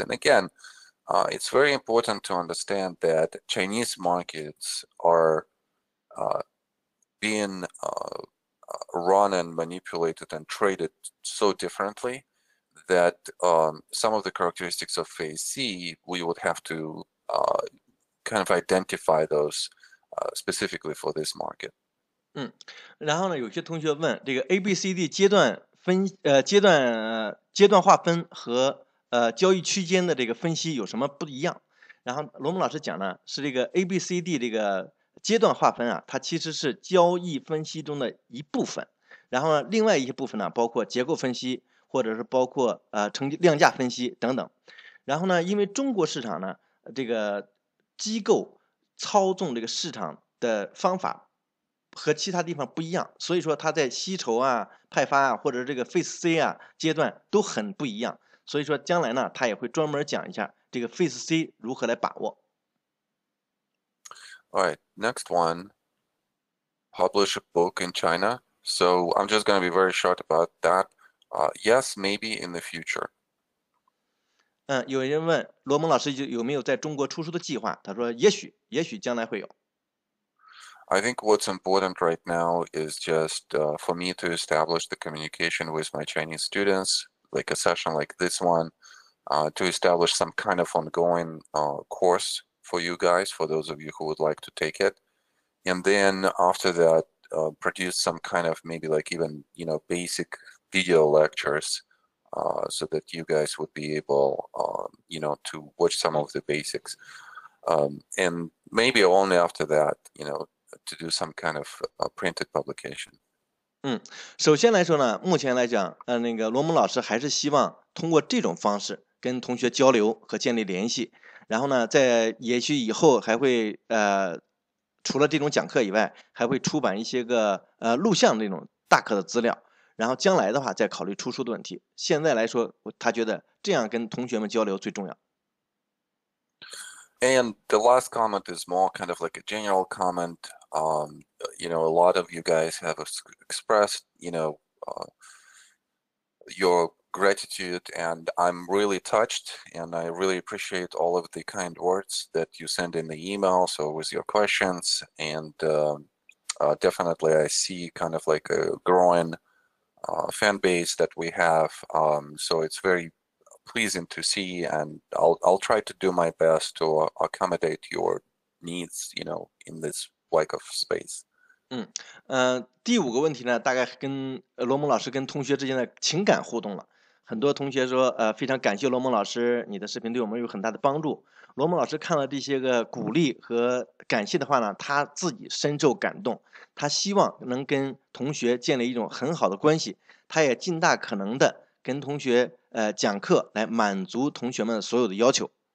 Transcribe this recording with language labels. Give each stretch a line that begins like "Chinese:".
English: And again, it's very important to understand that Chinese markets are being run and manipulated and traded so differently that some of the characteristics of phase C, we would have to kind of identify those specifically for this market.
Chinese: 嗯，然后呢，有些同学问这个 A B C D 阶段分阶段划分和交易区间的这个分析有什么不一样？然后罗蒙老师讲呢，是这个 A B C D 这个阶段划分啊，它其实是交易分析中的一部分。然后呢，另外一些部分呢，包括结构分析，或者是包括成量价分析等等。然后呢，因为中国市场呢，这个机构操纵这个市场的方法和其他地方不一样，所以说它在吸筹啊、派发啊，或者这个 phase C 啊阶段都很不一样。所以说将来呢，他也会专门讲一下这个 phase C 如何来把握。
English: All right, next one. Publish a book in China. So I'm just going to be very short about that. Yes, maybe in the future.
Chinese: 嗯，有人问罗蒙老师有没有在中国出书的计划？他说也许将来会有。
English: I think what's important right now is just for me to establish the communication with my Chinese students, like a session like this one, to establish some kind of ongoing course for you guys, for those of you who would like to take it. And then after that, produce some kind of maybe like even, you know, basic video lectures so that you guys would be able, you know, to watch some of the basics. And maybe only after that, you know,to do some kind of a printed publication.
Chinese: 嗯，首先来说呢，目前来讲，那个罗蒙老师还是希望通过这种方式跟同学交流和建立联系。然后呢，在也许以后还会除了这种讲课以外，还会出版一些个录像那种大课的资料。然后将来的话，再考虑出书的问题。现在来说，他觉得这样跟同学们交流最重要。
English: And the last comment is more kind of like a general comment. You know, a lot of you guys have expressed, you know, your gratitude, and I'm really touched, and I really appreciate all of the kind words that you send in the emails or with your questions. And definitely I see kind of like a growing fan base that we have. So it's very pleasing to see, and I'll try to do my best to accommodate your needs, you know, in this like of space.
Chinese: 第五个问题呢，大概跟罗蒙老师跟同学之间的情感互动了。很多同学说，非常感谢罗蒙老师，你的视频对我们有很大的帮助。罗蒙老师看了这些个鼓励和感谢的话呢，他自己深受感动，他希望能跟同学建立一种很好的关系，他也尽大可能的跟同学讲课来满足同学们所有的要求。